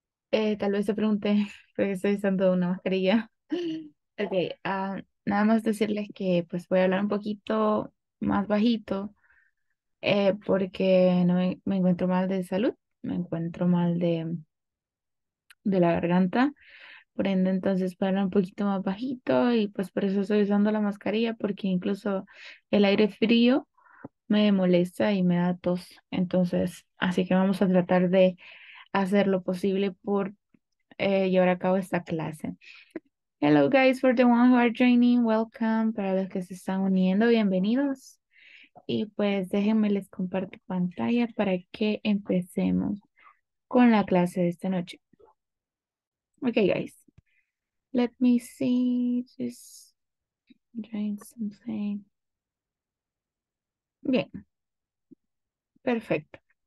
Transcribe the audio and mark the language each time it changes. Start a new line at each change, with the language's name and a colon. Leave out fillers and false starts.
Spanish: Tal vez se pregunte porque estoy usando una mascarilla. Okay, nada más decirles que pues voy a hablar un poquito más bajito porque no me encuentro mal de salud, me encuentro mal de la garganta, por ende entonces voy a hablar un poquito más bajito y pues por eso estoy usando la mascarilla porque incluso el aire frío me molesta y me da tos. Entonces, así que vamos a tratar de hacer lo posible por llevar a cabo esta clase.
English: Hello guys, for the ones who are joining, welcome.
Spanish: Para los que se están uniendo, bienvenidos. Y pues déjenme les comparto pantalla para que empecemos con la clase de esta noche.
English: Okay, guys. Let me see, just drink something.
Spanish: Bien. Perfecto.